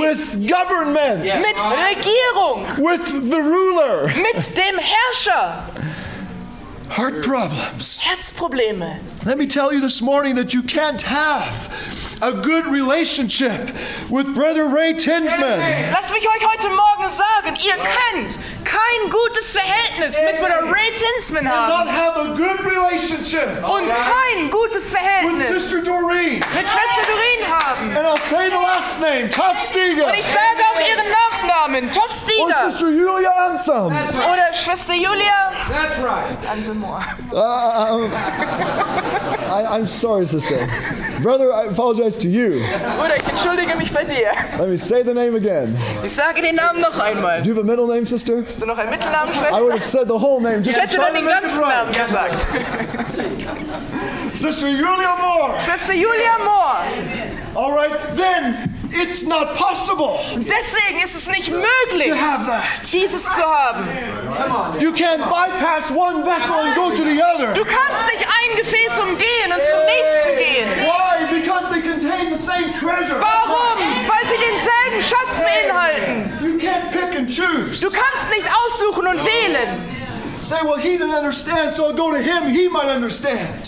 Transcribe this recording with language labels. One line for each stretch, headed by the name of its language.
English: With government.
German: Yes. Mit Regierung.
English: With the ruler.
German: Mit dem Herrscher.
English: Heart problems.
German: Herzprobleme.
English: Let me tell you this morning that you can't have a good relationship with Brother Ray Tinsman.
German: Lass mich euch heute Morgen sagen, ihr könnt kein gutes Verhältnis mit Brother Ray Tinsman haben.
English: And not have a good relationship.
German: Und kein gutes Verhältnis
English: with Sister Doreen.
German: Mit Schwester Doreen haben.
English: And I'll say the last name, Topstiger.
German: Und ich sage auch ihren Nachnamen, Topstiger.
English: Or Sister Julia Ansem. Right.
German: Oder Schwester Julia.
English: That's right. Ansemore. I'm sorry, Sister. Brother, I apologize to you.
German: Bruder, ich entschuldige mich bei dir.
English: Let me say the name again.
German: Ich sage den Namen noch einmal.
English: Do you have a middle name, sister?
German: Hast du noch einen Mittelnamen, Schwester?
English: I would have said the whole name. Just
German: ich hätte dann den ganzen Namen gesagt.
English: Sister Julia Moore.
German: Schwester Julia Moore.
English: All right, then, It's not possible.
German: Deswegen ist es nicht möglich,
English: to have that.
German: Jesus zu haben.
English: You can't bypass one vessel and go to the other.
German: Du kannst nicht ein Gefäß umgehen und zum nächsten gehen.
English: Why? Because they contain the same treasure.
German: Warum? Weil sie denselben Schatz beinhalten.
English: You can't pick and choose.
German: Du kannst nicht aussuchen und wählen.
English: Say, well, he didn't understand, so I'll go to him. He might understand.